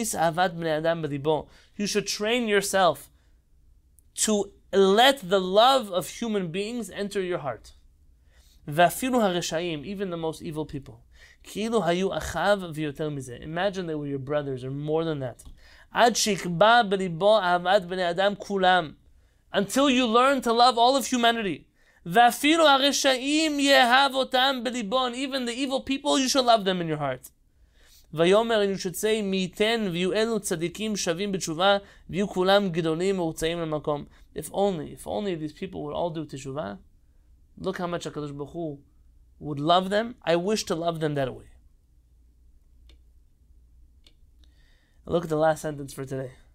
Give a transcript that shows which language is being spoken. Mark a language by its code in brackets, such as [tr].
[en] You should train yourself to let the love of human beings enter your heart. Even the most evil people. Imagine they were your brothers or more than that. [he] עד שיקבע בליבו אהבת בני אדם כולם. [en] Until you learn to love all of humanity. [he] ואפילו הרשעים יאהב אותם בליבו. [en] And even the evil people, you should love them in your heart. [he] ויאמר, [en] and you should say, [he] מי ייתן ויהיו אלו צדיקים שווים בתשובה, ויהיו כולם גדולים ורוצאים למקום. [en] If only these people would all do תשובה, look how much הקדוש ברוך הוא would love them. I wish to love them that way. Look at the last sentence for today.